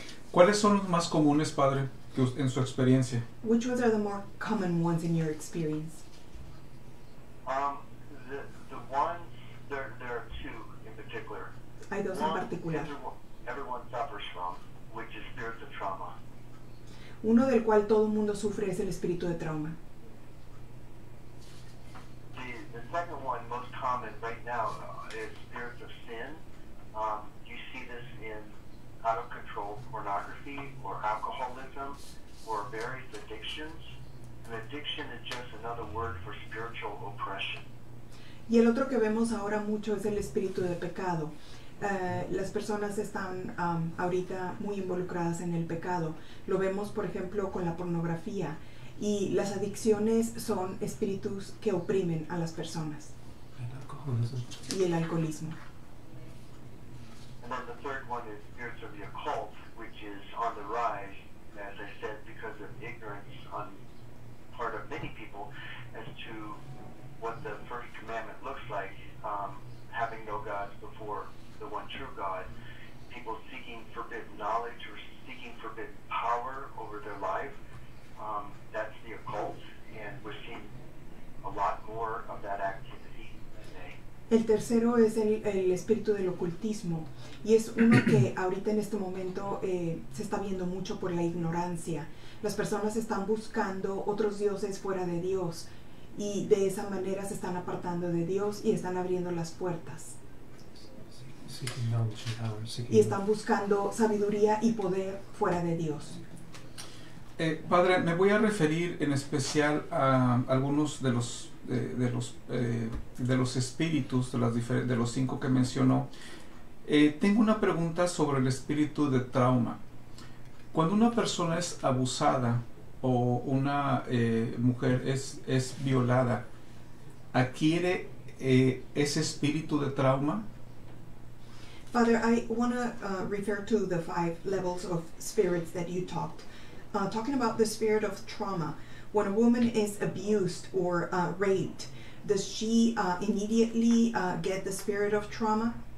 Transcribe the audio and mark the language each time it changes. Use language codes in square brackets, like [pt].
[es] ¿Cuáles son los más comunes, padre, que, en su experiencia? [en] Which ones are the more common ones in your experience? The ones, there are two in particular. [es] Hay dos [en] one, [es] en particular. [en] Everyone suffers from, which is spirits of trauma. [es] Uno del cual todo el mundo sufre es el espíritu de trauma. [en] The second one, most common right now, is spirits of sin. You see this in out-of-control pornography or alcoholism or various addictions. An addiction is just another word for spiritual oppression. [es] Y el otro que vemos ahora mucho es el espíritu de pecado. Las personas están ahorita muy involucradas en el pecado. Lo vemos, por ejemplo, con la pornografía. Y las adicciones son espíritus que oprimen a las personas. El y el alcoholismo. [en] And then the third one is spirits of the occult, which is on the rise, as I said, because of ignorance on part of many people as to what the first commandment looks like, having no gods before the one true God. People seeking forbidden knowledge or seeking forbidden power over their life. That's the occult, and we're seeing a lot more of that activity today. [es] El tercero es el espíritu del ocultismo, y es uno que ahorita en este momento se está viendo mucho por la ignorancia. Las personas están buscando otros dioses fuera de Dios, y de esa manera se están apartando de Dios y están abriendo las puertas. [en] So seeking knowledge and power, seeking [es] y están buscando sabiduría y poder fuera de Dios. Padre, me voy a referir en especial a algunos de los espíritus de las de los cinco que mencionó. Tengo una pregunta sobre el espíritu de trauma. Cuando una persona es abusada o una mujer es violada, ¿adquiere ese espíritu de trauma? [en] Father, I want to refer to the five levels of spirits that you talked. Talking about the spirit of trauma, when a woman is abused or raped, does she immediately get the spirit of trauma?